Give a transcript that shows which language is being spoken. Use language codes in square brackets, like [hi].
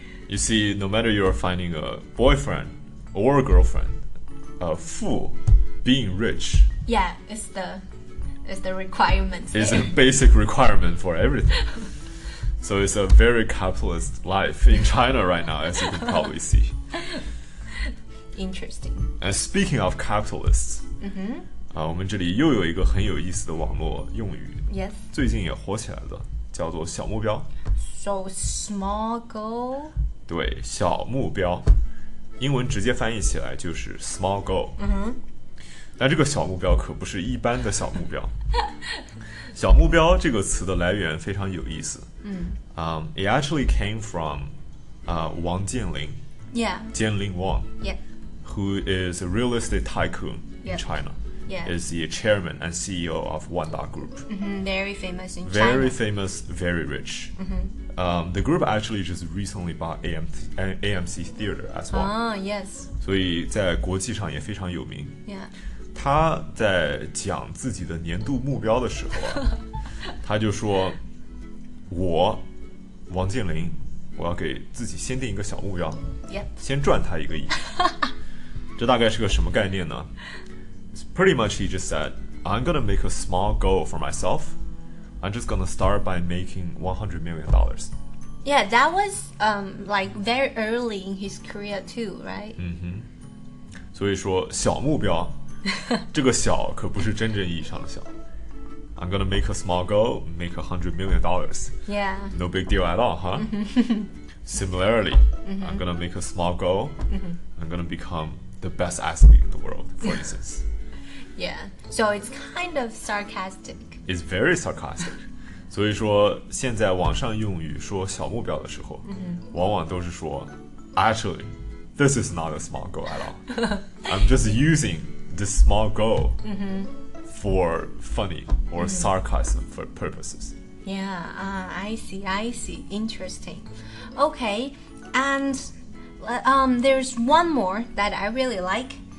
[en] You see, no matter you're finding a boyfriend or a girlfriend, 富 being rich. Yeah, it's the requirement. It's a basic requirement for everything. So it's a very capitalist life in China right now, as you can probably see. Interesting. And speaking of capitalists,、 mm-hmm. [zh] 我们这里又有一个很有意思的网络用语。 [en] Yes. [zh] 最近也火起来的，叫做小目标。 [en] So small goal? [zh] 对，小目标。英文直接翻译起来就是 small goal。 [en] Mm-hmm. [zh] 但这个小目标可不是一般的小目标。小目标这个词的来源非常有意思。 [en] It actually came from Wang Jianling. Yeah. Jianling Wang. Yeah. Who is a real estate tycoon in China. Yeah. Is the chairman and CEO of Wanda Group. Mm-hmm. Very famous in China. Very famous, very rich. Mm-hmm. The group actually just recently bought AMC Theater as well. Oh, yes. [zh] 所以在国际上也非常有名。 [en] Yeah. [zh] 他在讲自己的年度目标的时候、他就说我王健林我要给自己先定一个小目标、 [en] yep. [zh] 先赚他一个亿这大概是个什么概念呢 [en] Pretty much he just said I'm gonna make a small goal for myself I'm just gonna start by making $100 million Yeah, that was like very early in his career too, right? [zh] 嗯哼，所以说小目标这个小可不是真正意义上的小 [en] I'm gonna make a small goal, make $100 million. Yeah. No big deal at all, huh? Similarly, I'm gonna make a small goal. I'm gonna become the best athlete in the world, for instance. Yeah. So it's kind of sarcastic. It's very sarcastic. [zh] 所以说现在网上用语说小目标的时候、 [en] mm-hmm. [zh] 往往都是说 [en] Actually, this is not a small goal at all. I'm just using this small goal. For funny or sarcasm for purposes. Yeah, I see. Interesting. Okay, and there's one more that I really like.